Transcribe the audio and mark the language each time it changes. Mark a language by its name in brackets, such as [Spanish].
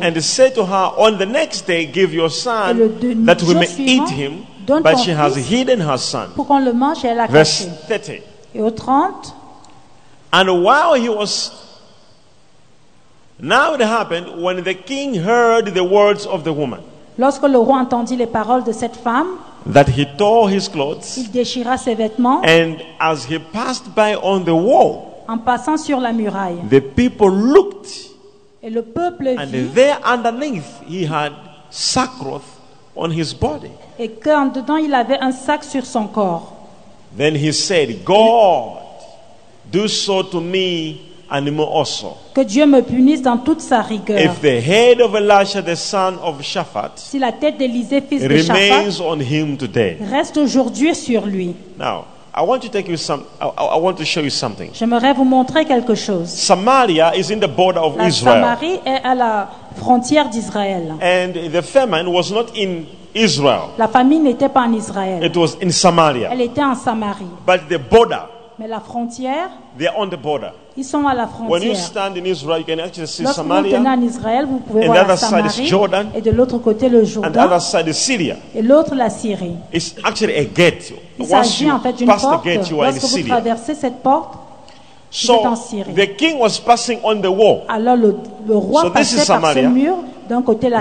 [English] And said to her, on the next day, give your son that we may eat him. But she has hidden her son. [French] Pour qu'on le mange, elle a caché. [English] Verse 30. [French] Et au 30. [English] And while he was. Now it happened when the king heard the words of the woman. [French] Lorsque le roi entendit les paroles de cette femme. [English] That he tore his clothes. [French] Il déchira ses vêtements. [English] And as he passed by on the wall. [French] En passant sur la muraille. [English] The people looked. [French] Et le peuple [English] and [French] vit. [English] And there underneath he had sackcloth on his body. [French] Et qu'en dedans il avait un sac sur son corps. [English] Then he said, God, do so to me and me also. [French] Que Dieu me punisse dans toute sa rigueur. [English] If the head of Elisha, the son of Shaphat, [French] si la tête d'Élisée, fils de Shaphat, [English] remains on him today, [French] reste aujourd'hui sur lui. [English] Now, I want to take you some. I want to show you something. [French] J'aimerais vous montrer quelque chose. [English] Samaria is in the border of [French] la [English] Israel. [French] Samarie est à la frontière d'Israël. [English] And the famine was not in Israel. [French] La famine n'était pas en Israël. [English] It was in Samaria. [French] Elle était en Samarie. [English] But the border. [French] Mais la frontière. [English] They are on the border. [French] Ils sont à la frontière. [English] When you stand in Israel, you can actually see [French] lorsque [English] Samaria. [French] Lorsque vous êtes en Israël, vous pouvez [English] and [French] voir [English] other [French] la Samarie. [English] Side is Jordan, [French] et de l'autre côté le Jourdain. [English] And other side is Syria. [French] Et l'autre la Syrie. [English] It's actually a gate. [French] Il s'agit en fait d'une porte. [English] Gate, [French] lorsque vous traversez cette porte. [English] So the king was passing on the wall. [French] Alors le roi passait par ce mur d'un côté la